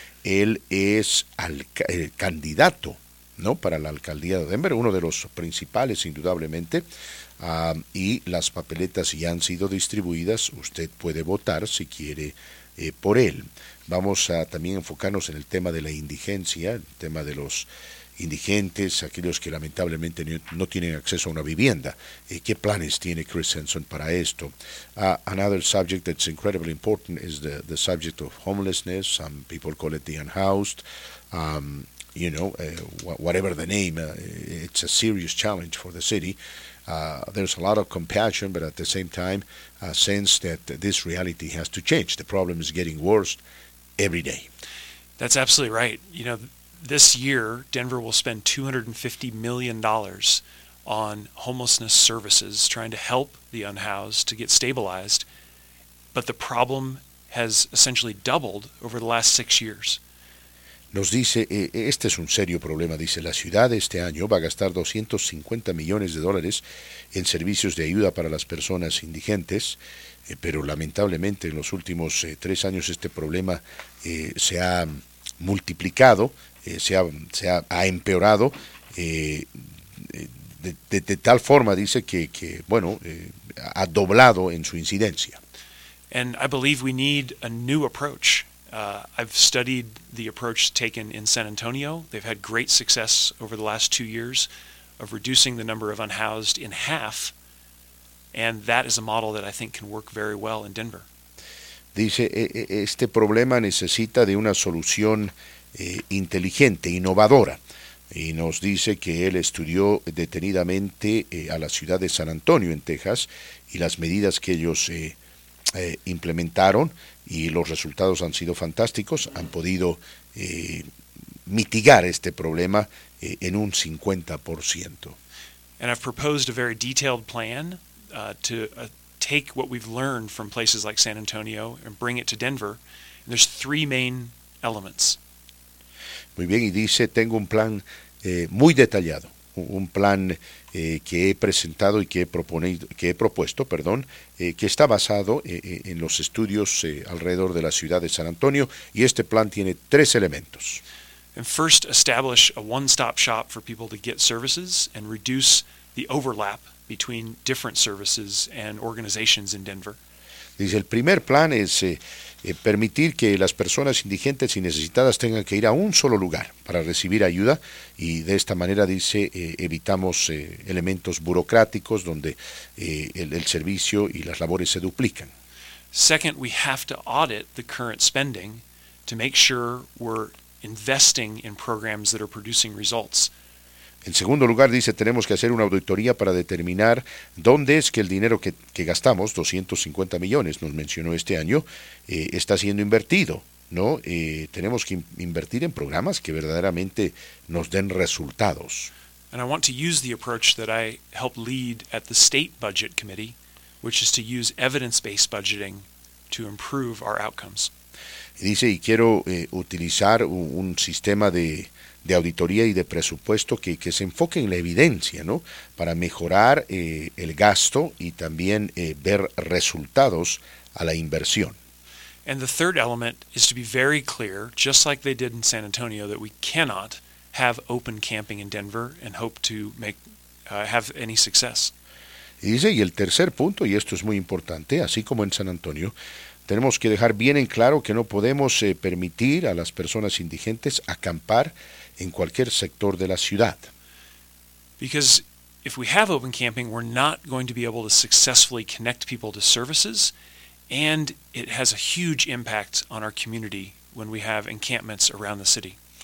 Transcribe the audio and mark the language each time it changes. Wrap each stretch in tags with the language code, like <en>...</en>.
<es>Él es el candidato, ¿no?, para la alcaldía de Denver, uno de los principales, indudablemente, y las papeletas ya han sido distribuidas. Usted puede votar, si quiere, por él. Vamos a también enfocarnos en el tema de la indigencia, el tema de los indigentes, aquellos que lamentablemente no tienen acceso a una vivienda. ¿Qué planes tiene Chris Henson para esto?</es> <en>Another subject that's incredibly important is the subject of homelessness. Some people call it the unhoused. Whatever the name, it's a serious challenge for the city. There's a lot of compassion, but at the same time, a sense that this reality has to change. The problem is getting worse every day. That's absolutely right. You know, this year, Denver will spend $250 million on homelessness services, trying to help the unhoused to get stabilized. But the problem has essentially doubled over the last 6 years.</en> <es>Nos dice, este es un serio problema, dice, la ciudad este año va a gastar $250 millones en servicios de ayuda para las personas indigentes, pero lamentablemente en los últimos 3 años este problema se ha multiplicado, se ha empeorado de tal forma, dice, que ha doblado en su incidencia.</es> <en>And I believe we need a new approach. I've studied the approach taken in San Antonio. They've had great success over the last 2 years of reducing the number of unhoused in half, and that is a model that I think can work very well in Denver.</en> <es>Dice, este problema necesita de una solución inteligente, innovadora, y nos dice que él estudió detenidamente a la ciudad de San Antonio en Texas y las medidas que ellos implementaron. Y los resultados han sido fantásticos, han podido mitigar este problema en un 50%.</es> <en>And I've proposed a very detailed plan to take what we've learned from places like San Antonio and bring it to Denver. And there's 3 main elements.</en> <es>Muy bien, y dice, tengo un plan muy detallado, un plan que he presentado y que he propuesto, que está basado en los estudios alrededor de la ciudad de San Antonio, y este plan tiene 3 elementos.</es> <en>And first, establish a one-stop shop for people to get services and reduce the overlap between different services and organizations in Denver.</en> <es>Dice, el primer plan es permitir que las personas indigentes y necesitadas tengan que ir a un solo lugar para recibir ayuda, y de esta manera, dice, evitamos elementos burocráticos donde el servicio y las labores se duplican.</es> <en>Second, we have to audit the current spending to make sure we're investing in programs that are producing results.</en> <es>En segundo lugar, dice, tenemos que hacer una auditoría para determinar dónde es que el dinero que gastamos, 250 millones, nos mencionó este año, está siendo invertido, ¿no? Tenemos que invertir en programas que verdaderamente nos den resultados.</es> <en>And I want to use the approach that I help lead at the State Budget Committee, which is to use evidence-based budgeting to improve our outcomes.</en> <es>Dice, y quiero utilizar un sistema de auditoría y de presupuesto que se enfoque en la evidencia, ¿no? Para mejorar el gasto y también ver resultados a la inversión.</es> <en>And the third element is to be very clear, just like they did in San Antonio, that we cannot have open camping in Denver and hope to make have any success.</en> <es>Y dice, y el tercer punto, y esto es muy importante, así como en San Antonio, tenemos que dejar bien en claro que no podemos permitir a las personas indigentes acampar en cualquier sector de la ciudad.</es> <en>Because if we have open camping, we're not going to be able to successfully connect people to services, and it has a huge impact on our community when we have encampments around the city.</en>